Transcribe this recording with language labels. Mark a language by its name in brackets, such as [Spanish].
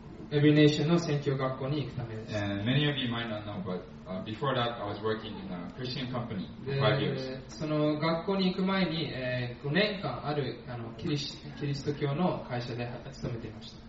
[Japanese] every nation の宣教学校に行くためです。 [English] And many of you might not know, but before that, I was working in a Christian company for 5 years. [Japanese] その学校に行く前に、5年間あるあのキリスト教の会社で勤めていました。